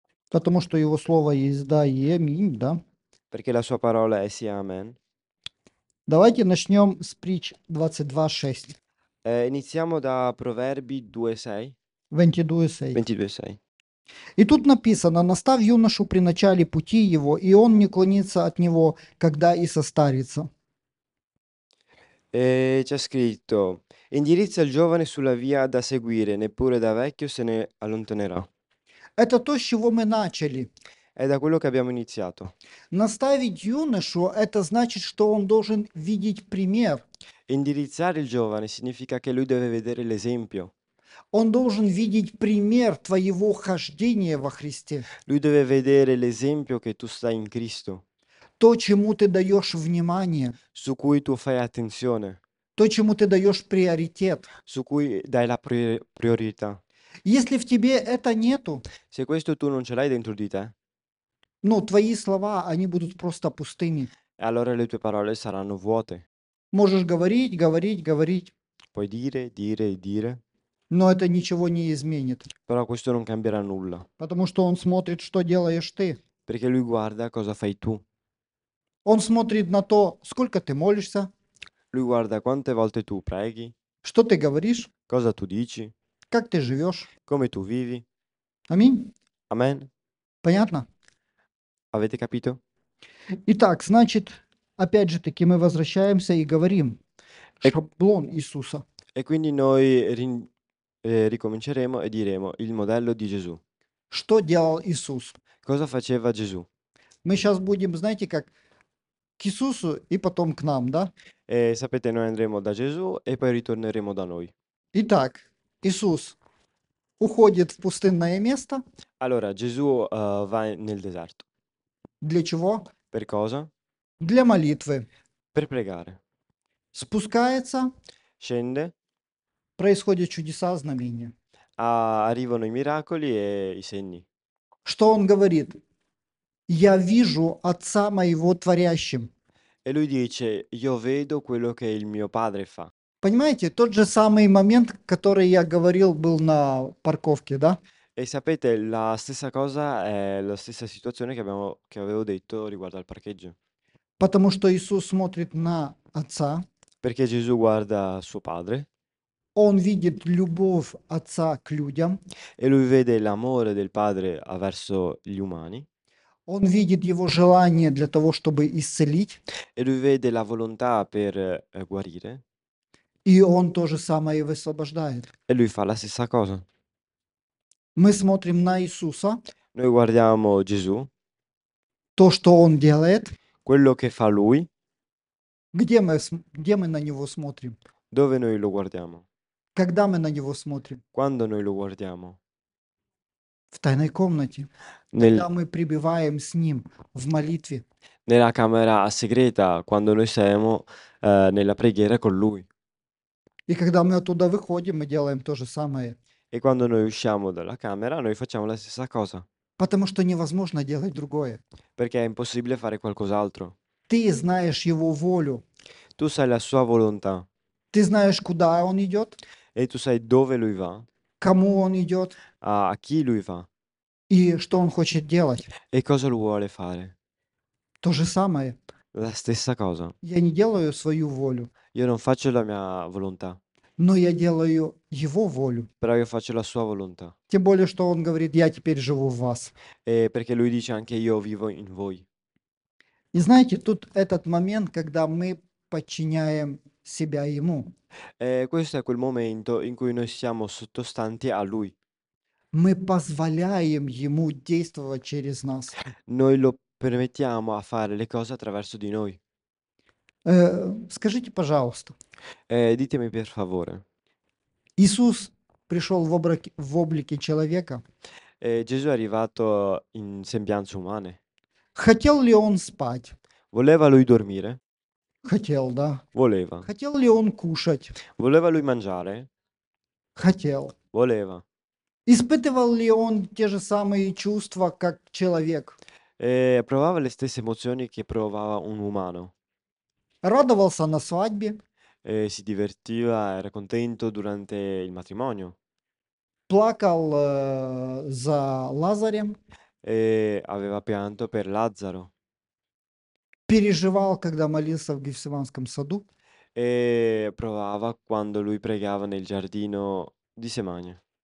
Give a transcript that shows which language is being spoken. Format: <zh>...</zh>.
<ru>Потому что его слово есть да и аминь, да?</ru> <it>Perché la sua parola è sia amen.</it> <ru>Давайте начнем с притч 22.6.</ru> <it>Iniziamo da Proverbi 2.6.</it> <ru>22.6.</ru> <it>22.6.</it> <ru>И тут написано, «Настав юношу при начале пути его, и он не клонится от него, когда и состарится».</ru> <it>E c'è scritto: indirizza il giovane sulla via da seguire, neppure da vecchio se ne allontanerà.</it> <ru>Это то, с чего мы начали.</ru> <it>È da quello che abbiamo iniziato.</it> <ru>Наставить юношу, это значит, что он должен видеть пример.</ru> <it>Indirizzare il giovane significa che lui deve vedere l'esempio.</it> <ru>Он должен видеть пример твоего хождения во Христе.</ru> <it>Lui deve vedere l'esempio che tu stai in Cristo,</it> <ru>То, чему ты даешь внимание.</ru> <it>su cui tu fai attenzione,</it> <ru>То, чему ты даешь приоритет.</ru> <it>su cui dai la priorità.</it> <ru>Если в тебе это нету,</ru> <it>Se questo tu non ce l'hai dentro di te,</it> <ru>ну, твои слова, они будут просто пустыми.</ru> <it>allora le tue parole saranno vuote.</it> <ru>Можешь говорить, говорить, говорить,</ru> <it>Puoi dire, dire, dire.</it> <ru>но это ничего не изменит.</ru> <it>Però questo non cambierà nulla.</it> <ru>Потому что он смотрит, что делаешь ты.</ru> <it>Perché lui guarda cosa fai tu.</it> <ru>Он смотрит на то, сколько ты молишься,</ru> <it>Lui guarda quante volte tu preghi.</it> <ru>что ты говоришь,</ru> <it>Cosa tu dici.</it> <ru>как ты живешь.</ru> <it>Come tu vivi.</it> <ru>Аминь.</ru> <it>Amen.</it> <ru>Понятно?</ru> <it>Avete capito?</it> <ru>Итак, значит, опять же таки, мы возвращаемся и говорим шаблон Иисуса.</ru> <it>E quindi noi ricominceremo e diremo il modello di Gesù.</it> <ru>Что делал Иисус?</ru> <it>Cosa faceva Gesù?</it> <ru>Мы сейчас будем, знаете, как к Иисусу и потом к нам, да?</ru> <it>E sapete, noi andremo da Gesù e poi ritorneremo da noi.</it> <ru>Итак, Иисус уходит в пустынное место.</ru> <it>Allora, Gesù va nel deserto.</it> <ru>Для чего?</ru> <it>Per cosa? Per</it> <ru>Для молитвы.</ru> <it>pregare.</it> <ru>Спускается,</ru> <it>Scende.</it> <ru>происходят чудеса, знамения.</ru> <it>Arrivano i miracoli e i segni.</it> <ru>Что он говорит? Я вижу Отца моего творящим.</ru> <it>E lui dice: io vedo quello che il mio padre fa.</it> <ru>Понимаете, тот же самый момент, который я говорил, был на парковке, да?</ru> <it>E sapete, la stessa cosa è la stessa situazione che avevo detto riguardo al parcheggio.</it> <ru>Потому что Иисус смотрит на Отца.</ru> <it>Perché Gesù guarda suo padre.</it> <ru>Он видит любовь Отца к людям.</ru> <it>E lui vede l'amore del padre verso gli umani.</it> <ru>Он видит его желание для того, чтобы исцелить.</ru> <it>E lui vede la volontà per guarire.</it> <ru>И он то же самое и высвобождает.</ru> <it>E lui fa la stessa cosa.</it> <ru>Мы смотрим на Иисуса.</ru> <it>Noi guardiamo Gesù,</it> <ru>То, что Он делает.</ru> <it>quello che fa lui,</it> <ru>Где мы на Него смотрим?</ru> <it>dove noi lo guardiamo,</it> <ru>Когда мы на Него смотрим?</ru> <it>quando noi lo guardiamo,</it> <ru>В тайной комнате. Когда мы пребываем с Ним в молитве.</ru> <it>nella camera segreta, quando noi siamo nella preghiera con lui.</it> <ru>И когда мы оттуда выходим, мы делаем то же самое.</ru> <it>E quando noi usciamo dalla camera, noi facciamo la stessa cosa.</it> <ru>Потому что невозможно делать другое.</ru> <it>Perché è impossibile fare qualcos'altro.</it> <ru>Ты знаешь его волю.</ru> <it>Tu sai la sua volontà.</it> <ru>Ты знаешь, куда он идет.</ru> <it>E tu sai dove lui va.</it> <ru>Кому он идет.</ru> <it>A chi lui va.</it> <ru>И что он хочет делать.</ru> <it>E cosa lui vuole fare.</it> <ru>То же самое.</ru> <it>La stessa cosa.</it> <ru>Я не делаю свою волю.</ru> <it>Io non faccio la mia volontà.</it> <ru>Но я делаю его волю.</ru> <it>Però io faccio la sua volontà.</it> <ru>Тем более, что он говорит, я теперь живу в вас.</ru> <it>E perché lui dice anche io vivo in voi.</it> <ru>И знаете, тут этот момент, когда мы подчиняем себя ему.</ru> <it>E questo è quel momento in cui noi siamo sottostanti a lui.</it> <ru>Мы позволяем ему действовать через нас.</ru> <it>Noi lo permettiamo a fare le cose attraverso di noi.</it> <ru>Скажите, пожалуйста.</ru> <it>Ditemi per favore.</it> <ru>Иисус пришел в облике человека.</ru> <it>Gesù è arrivato in sembianze umane.</it> <ru>Хотел ли он спать?</ru> <it>Voleva lui dormire?</it> <ru>Хотел, да.</ru> <it>Voleva.</it> <ru>Хотел ли он кушать?</ru> <it>Voleva lui mangiare?</it> <ru>Хотел.</ru> <it>Voleva.</it> <ru>Испытывал ли он те же самые чувства, как человек?</ru> <it>Provava le stesse emozioni che provava un umano.</it> <ru>Радовался на свадьбе.</ru> <it>Si divertiva, era contento durante il matrimonio.</it> <ru>Плакал за Лазарем.</ru> <it>Aveva pianto per Lazzaro.</it> <ru>Переживал, когда молился в Гефсиманском саду.</ru> <it>Provava quando lui pregava nel giardino di Semania.</it>